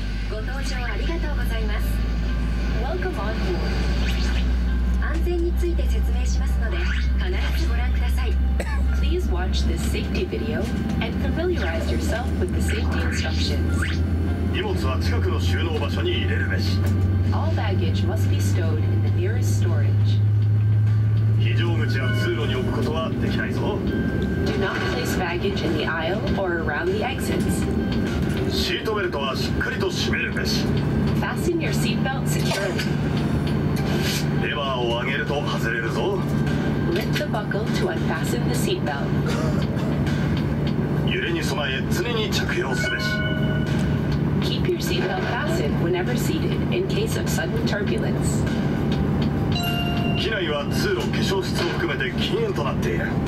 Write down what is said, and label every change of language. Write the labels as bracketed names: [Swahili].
[Japanese] ご搭乗ありがとうございます。 [English] Welcome on board. [Japanese] 安全について説明しますので必ずご覧ください。 [English] Please watch this safety video and familiarize yourself with the safety instructions. [Japanese] 荷物は近くの収納場所に入れるべし。 [English] All baggage must be stowed in the nearest storage. [Japanese] 非常口や通路に置くことはできないぞ。 [English] Do not place baggage in the aisle or around the exits. [Japanese] シートベルトはしっかりと締めるべし。 [English] Fasten your seatbelt securely. [Japanese] レバーを上げると外れるぞ。 [English] Lift the buckle to unfasten the seatbelt. [Japanese] 揺れに備え常に着用すべし。 [English] Keep your seatbelt fastened whenever seated in case of sudden turbulence. [Japanese] 機内は通路、化粧室を含めて禁煙となっている。